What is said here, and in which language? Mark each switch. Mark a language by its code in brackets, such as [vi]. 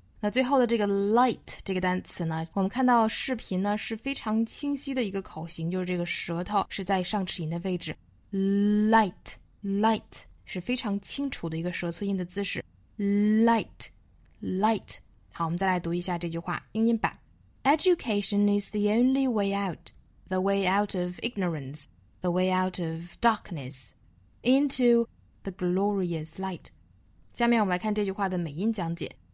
[zh] 那最后的这个 light 这个单词呢，我们看到视频呢是非常清晰的一个口型，就是这个舌头是在上齿龈的位置。 Light, light,是非常清楚的一个舌侧音的姿势。 [en] Light, light. [zh] 好，我们再来读一下这句话英音版。 [en] Education is the only way out, the way out of ignorance, the way out of darkness, into the glorious light. [zh] 下面我们来看这句话的美音讲解。